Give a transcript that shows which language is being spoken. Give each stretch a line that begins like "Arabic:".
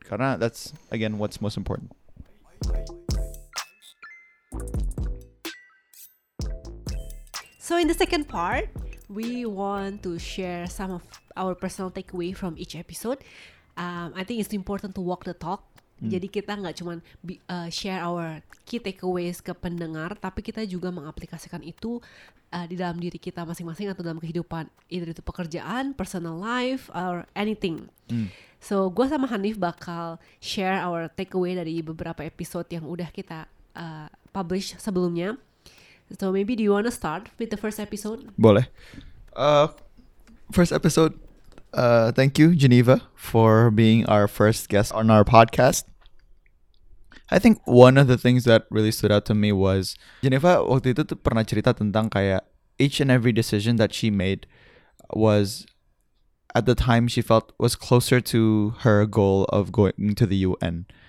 English: Karena that's, again, what's most important. So in the second part, we want to share some of our personal takeaway from each episode. I think it's important to walk the talk.
Indonesian: Jadi kita gak cuman
English: share our key takeaways
Indonesian: ke pendengar, tapi kita juga mengaplikasikan itu di dalam diri kita masing-masing atau dalam kehidupan, either itu pekerjaan,
English: personal life, or anything.
Indonesian: So gue sama Hanif bakal share our takeaway dari beberapa episode yang udah kita publish sebelumnya.
English: So maybe do you wanna start with the first episode?
Indonesian: Boleh.
English: First episode, thank you, Geneva, for being our first guest on our podcast. I think one of the things that really stood out to me was Geneva
Indonesian: waktu itu tuh pernah cerita tentang kayak
English: each and every decision that she made was at the time she felt was closer to her goal of going to the UN.